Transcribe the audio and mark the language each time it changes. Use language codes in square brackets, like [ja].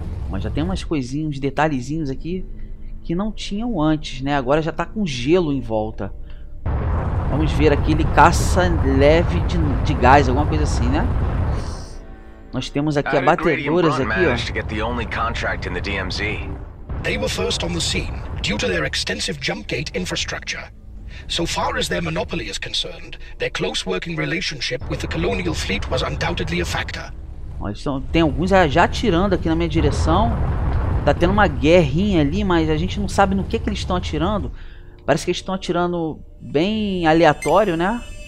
[pt] Mas já tem umas coisinhas, uns detalhezinhos aqui que não tinham antes, né? Agora já está com gelo em volta. Vamos ver aquele caça leve de gás, alguma coisa assim, né? Nós temos aqui abatedoras aqui, ó. [en] To get the only contract in the DMZ. They were first on the scene due to their extensive jump gate infrastructure. So far as their monopoly is concerned, their close working relationship with the colonial fleet was undoubtedly a factor. [pt] Tem alguns já atirando aqui na minha direção. Tá tendo uma guerrinha ali, mas a gente não sabe no que eles estão atirando. Parece que eles estão atirando bem aleatório, né?